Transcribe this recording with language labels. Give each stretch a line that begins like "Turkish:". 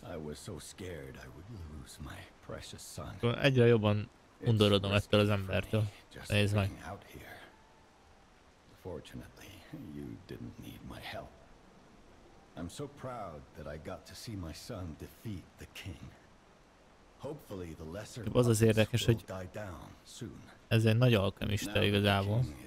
English: I was so scared I would lose my precious son.
Hungarian: Egyre jobban undorodom ettől az embertől. Nézd meg.
English: Fortunately, you didn't need my help. I'm so proud that I got to see my son defeat the king. Hopefully the lesser
Hungarian: az az érdekes, hogy ez egy nagy alkemista igazából.